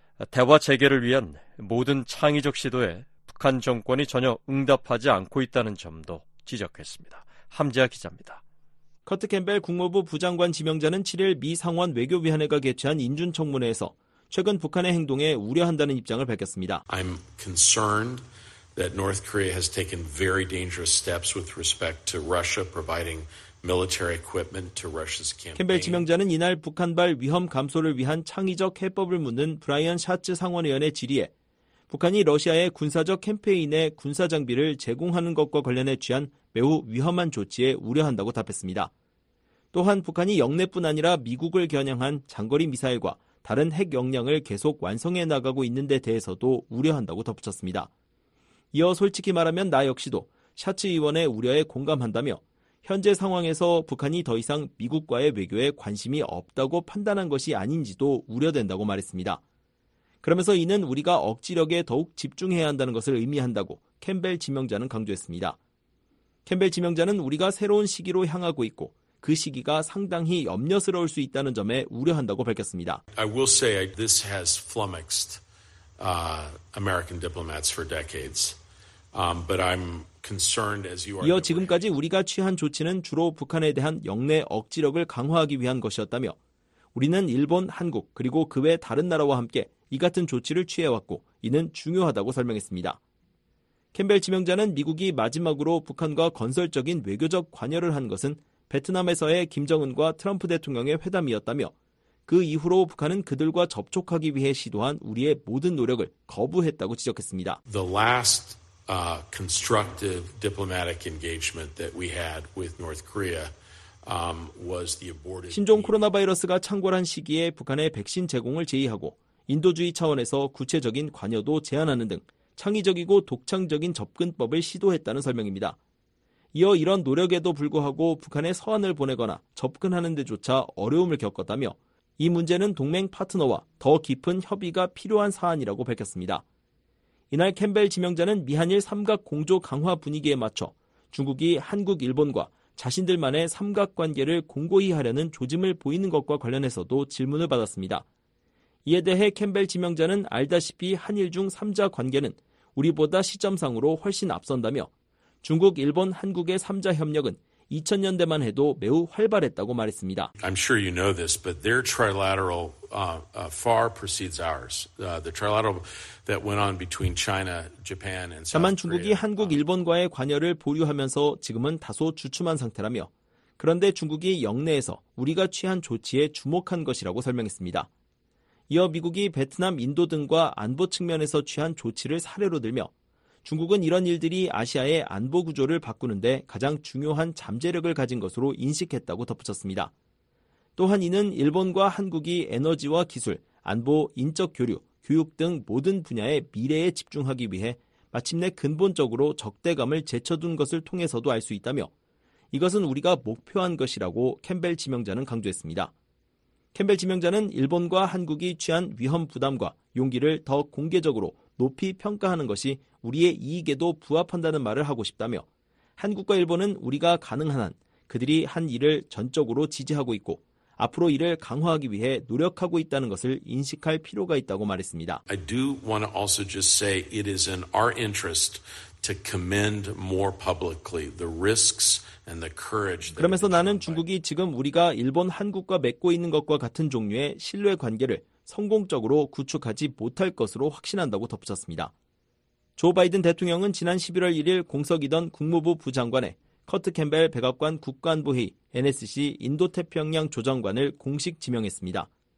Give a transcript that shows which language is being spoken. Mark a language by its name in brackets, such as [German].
[Korean] 대화 재개를 위한 모든 창의적 시도에 북한 정권이 전혀 응답하지 않고 있다는 점도 지적했습니다. 함재아 기자입니다. 커트 캠벨 국무부 부장관 지명자는 7일 미 상원 외교위원회가 개최한 인준청문회에서 최근 북한의 행동에 우려한다는 입장을 밝혔습니다. [English] I'm concerned that North Korea has taken very dangerous steps with respect to Russia providing military equipment to Russia's campaign. [Korean] 캠벨 지명자는 이날 북한발 위험 감소를 위한 창의적 해법을 묻는 브라이언 샤츠 상원의원의 질의에 북한이 러시아의 군사적 캠페인에 군사 장비를 제공하는 것과 관련해 취한 매우 위험한 조치에 우려한다고 답했습니다. 또한 북한이 영내뿐 아니라 미국을 겨냥한 장거리 미사일과 다른 핵 역량을 계속 완성해 나가고 있는 데 대해서도 우려한다고 덧붙였습니다. 이어 솔직히 말하면 나 역시도 샤츠 의원의 우려에 공감한다며 현재 상황에서 북한이 더 이상 미국과의 외교에 관심이 없다고 판단한 것이 아닌지도 우려된다고 말했습니다. 그러면서 이는 우리가 억지력에 더욱 집중해야 한다는 것을 의미한다고 캠벨 지명자는 강조했습니다. 캠벨 지명자는 우리가 새로운 시기로 향하고 있고 그 시기가 상당히 염려스러울 수 있다는 점에 우려한다고 밝혔습니다. [English] I will say this has flummoxed American diplomats for decades. But I'm concerned as you are. [Korean] 이어 지금까지 우리가 취한 조치는 주로 북한에 대한 영내 억지력을 강화하기 위한 것이었다며 우리는 일본, 한국 그리고 그 외 다른 나라와 함께 이 같은 조치를 취해 왔고 이는 중요하다고 설명했습니다. 캠벨 지명자는 미국이 마지막으로 북한과 건설적인 외교적 관여를 한 것은 베트남에서의 김정은과 트럼프 대통령의 회담이었다며 그 이후로 북한은 그들과 접촉하기 위해 시도한 우리의 모든 노력을 거부했다고 지적했습니다. [English] The last constructive diplomatic engagement that we had with North Korea was the aborted [Korean] 신종 코로나 바이러스가 창궐한 시기에 북한의 백신 제공을 제의하고 인도주의 차원에서 구체적인 관여도 제안하는 등 창의적이고 독창적인 접근법을 시도했다는 설명입니다. 이어 이런 노력에도 불구하고 북한에 서한을 보내거나 접근하는 데조차 어려움을 겪었다며 이 문제는 동맹 파트너와 더 깊은 협의가 필요한 사안이라고 밝혔습니다. 이날 캠벨 지명자는 미한일 삼각 공조 강화 분위기에 맞춰 중국이 한국, 일본과 자신들만의 삼각관계를 공고히 하려는 조짐을 보이는 것과 관련해서도 질문을 받았습니다. 이에 대해 캠벨 지명자는 알다시피 한일 중 3자 관계는 우리보다 시점상으로 훨씬 앞선다며 중국, 일본, 한국의 3자 협력은 2000년대만 해도 매우 활발했다고 말했습니다. [English] I'm sure you know this, but their trilateral far precedes ours. The trilateral that went on between China, Japan and South Korea. [Korean] 다만 중국이 한국, 일본과의 관여를 보류하면서 지금은 다소 주춤한 상태라며 그런데 중국이 역내에서 우리가 취한 조치에 주목한 것이라고 설명했습니다. 이어 미국이 베트남, 인도 등과 안보 측면에서 취한 조치를 사례로 들며 중국은 이런 일들이 아시아의 안보 구조를 바꾸는데 가장 중요한 잠재력을 가진 것으로 인식했다고 덧붙였습니다. 또한 이는 일본과 한국이 에너지와 기술, 안보, 인적 교류, 교육 등 모든 분야의 미래에 집중하기 위해 마침내 근본적으로 적대감을 제쳐둔 것을 통해서도 알 수 있다며 이것은 우리가 목표한 것이라고 캠벨 지명자는 강조했습니다. 캠벨 지명자는 일본과 한국이 취한 위험 부담과 용기를 더 공개적으로 높이 평가하는 것이 우리의 이익에도 부합한다는 말을 하고 싶다며 한국과 일본은 우리가 가능한 한 그들이 한 일을 전적으로 지지하고 있고 앞으로 이를 강화하기 위해 노력하고 있다는 것을 인식할 필요가 있다고 말했습니다. [English] I do want to also just say it is in our interest to commend more publicly the risks and the courage. [Korean] 그러면서 나는 중국이 지금 우리가 일본, 한국과 맺고 있는 것과 같은 종류의 신뢰 관계를 성공적으로 구축하지 못할 것으로 확신한다고 덧붙였습니다. 조 바이든 대통령은 지난 11월 1일 공석이던 국무부 부장관에 커트 캠벨 백악관 국가안보회의 NSC 인도태평양 조정관을 공식 지명했습니다.